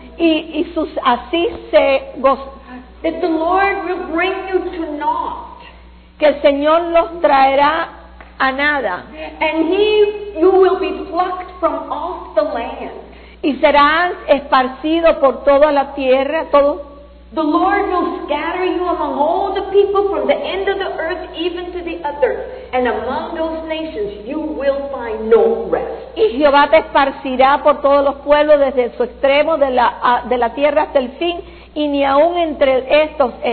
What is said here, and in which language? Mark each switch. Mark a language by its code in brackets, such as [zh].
[en] that the Lord will bring you to naught. [es] Que el Señor los traerá a nada. [en] And you will be plucked from off the land. [es] Y serás esparcido por toda la tierra, todo. [en] The Lord will scatter you among all the people from the end of the earth even to the other. And among those nations you will find no rest. [es] Y Jehová te esparcirá por todos los pueblos desde su extremo de la tierra hasta el fin, y ni aun entre estos